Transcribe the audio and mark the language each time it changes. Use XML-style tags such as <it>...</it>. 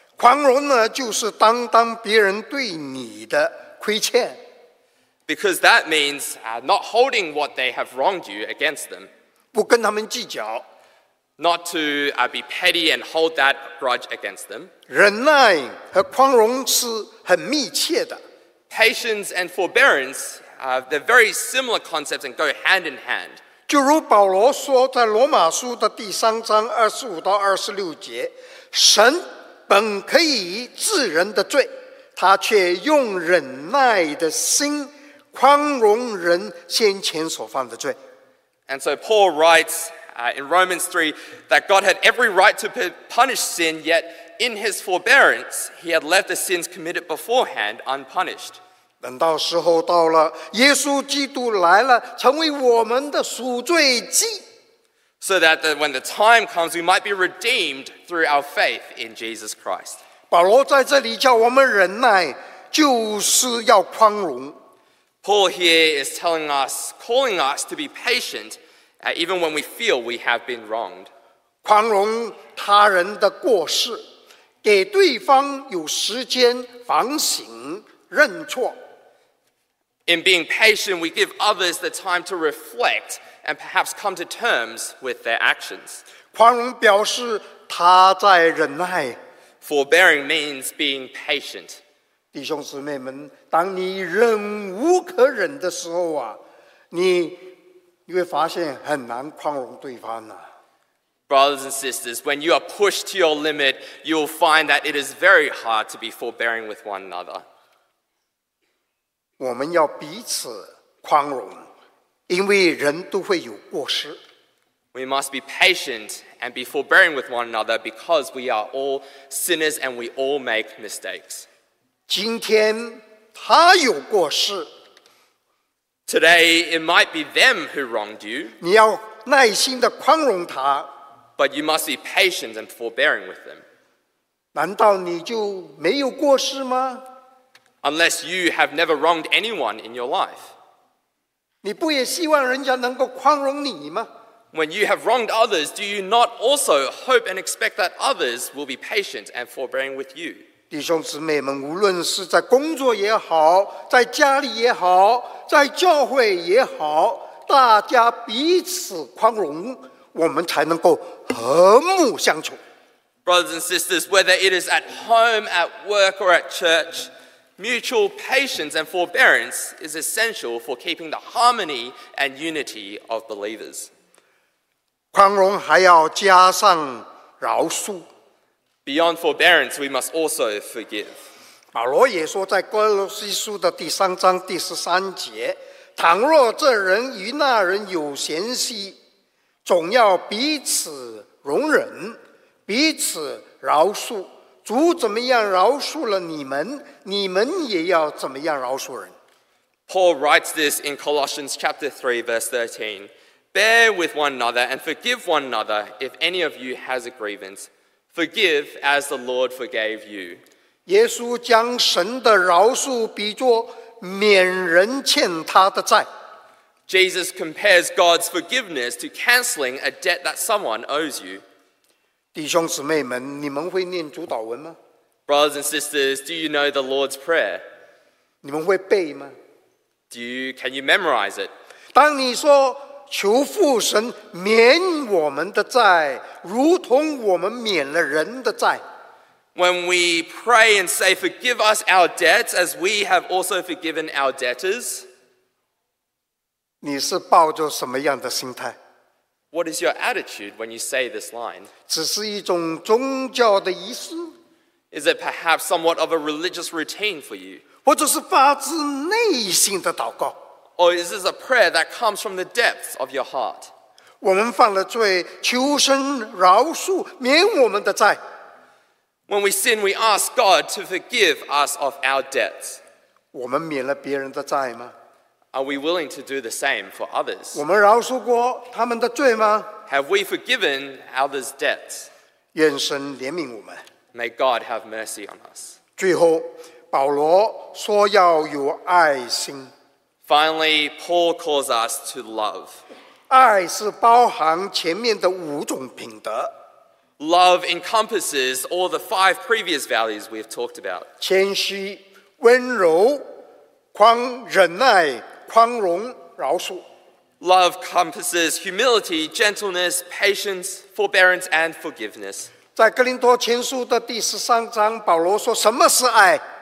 <zh>宽容呢，就是担当别人对你的亏欠。</zh> <en>Because that means not holding what they have wronged you against them.</en> <zh>不跟他们计较。</zh> <en>Not to be petty and hold that grudge against them.</en> <zh>忍耐和宽容是很密切的。</zh> <en>Patience and forbearance, they're very similar concepts and go hand in hand.</en> <zh>就如保罗说在罗马书的第三章二十五到二十六节，神本可以治人的罪，他却用忍耐的心宽容人先前所犯的罪。</zh> <en>And so Paul writes in Romans 3 that God had every right to punish sin, yet in his forbearance, he had left the sins committed beforehand unpunished.</en> <zh>等到时候到了，耶稣基督来了，成为我们的赎罪祭。</zh> <en>So that when the time comes, we might be redeemed through our faith in Jesus Christ.</en> <zh>保罗在这里叫我们忍耐，就是要宽容。</zh> <en>Paul here is telling us, calling us to be patient, even when we feel we have been wronged.</en> <zh>宽容他人的过失，给对方有时间反省认错。</zh> <en>In being patient, we give others the time to reflect and perhaps come to terms with their actions.</en> <zh>宽容表示他在忍耐。</zh> <en>Forbearing means being patient.</en> <zh>弟兄姊妹们，当你忍无可忍的时候啊，你会发现很难宽容对方啊。</zh> <en>Brothers and sisters, when you are pushed to your limit, you will find that it is very hard to be forbearing with one another.</en> <zh>我们要彼此宽容，因为人都会有过失。</zh> <en>We must be patient and be forbearing with one another because we are all sinners and we all make mistakes.</en> <zh>今天他有过失。</zh> <en>Today, it might be them who wronged you.</en> <zh>你要耐心地宽容他。</zh> <en>But you must be patient and forbearing with them.</en> <zh>难道你就没有过失吗？</zh> <en>Unless you have never wronged anyone in your life.</en> <zh>你不也希望人家能够宽容你吗？</zh> <en>When you have wronged others, do you not also hope and expect that others will be patient and forbearing with you?</en> <zh>弟兄姊妹们，无论是在工作也好，在家里也好，在教会也好，大家彼此宽容，我们才能够和睦相处。</zh> <en>Brothers and sisters, whether it is at home, at work, or at church, mutual patience and forbearance is essential for keeping the harmony and unity of believers.</en> <zh>宽容还要加上饶恕。</zh> <en>Beyond forbearance, we must also forgive.</en> <zh>保罗也说在哥罗西书的第三章第十三节，倘若这人与那人有嫌隙，总要彼此容忍，彼此饶恕。主怎么样饶恕了你们，你们也要怎么样饶恕人。</zh> <en>Paul writes this in Colossians chapter 3, verse 13. Bear with one another and forgive one another if any of you has a grievance. Forgive as the Lord forgave you.</en> <zh>耶稣将神的饶恕比作免人欠他的债。</zh> <en>Jesus compares God's forgiveness to cancelling a debt that someone owes you.</en> <zh>弟兄姊妹们，你们会念主祷文吗？</zh> <en>Brothers and sisters, do you know the Lord's Prayer?</en> <zh>你们会背吗？</zh> <en>Can you memorize it?</en> <zh>当你说求父神免我们的债，如同我们免了人的债。</zh> <en>When we pray and say, forgive us our debts as we have also forgiven our debtors,</en> <zh>你是抱着什么样的心态？</zh> <en>What is your attitude when you say this line?</en> <zh>只是一种宗教的仪式？</zh> <en>Is it perhaps somewhat of a religious routine for you?</en> <zh>或者是发自内心的祷告？</zh> <en>Or is this a prayer that comes from the depths of your heart?</en> <zh>我们犯了罪，求神饶恕，免我们的债。</zh> <en>When we sin, we ask God to forgive us of our debts.</en> <zh>我们免了别人的债吗？</zh> <en>Are we willing to do the same for others?</en> <zh>我们饶恕过他们的罪吗？</zh> <en>Have we forgiven others' debts?</en> <zh>愿神怜悯我们。</zh> <en>May God have mercy on us.</en> <zh>最后，保罗说要有爱心。</zh> <en>Finally, Paul calls us to love.</en> <zh>爱是包含前面的五种品德。</zh> <en>Love encompasses all the five previous values we've talked about.</en> <zh>谦虚、温柔、宽忍耐、宽容、饶恕。</zh> <en>Love encompasses humility, gentleness, patience, forbearance, and forgiveness.</en> <zh>在哥林多前书的第十三章，保罗说什么是爱？</zh>